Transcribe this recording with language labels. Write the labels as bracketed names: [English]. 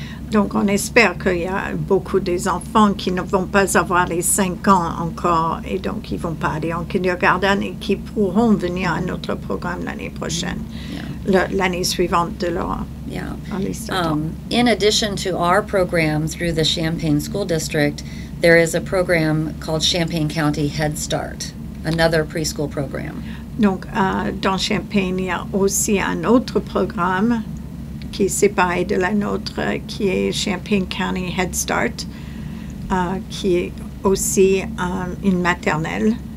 [French] Donc, on espère qu'il y a beaucoup des enfants qui ne vont pas avoir les 5 ans encore et donc ils ne vont pas aller en kindergarten et qui pourront venir à notre programme l'année prochaine, l'année suivante de leur liste. [English] In addition to our program through the Champaign School District, there is a program called Champaign County Head Start, another preschool program. [French] Donc, dans Champaign, il y a aussi un autre programme qui est séparé de la nôtre, qui est Champaign County Head Start, qui est aussi une maternelle.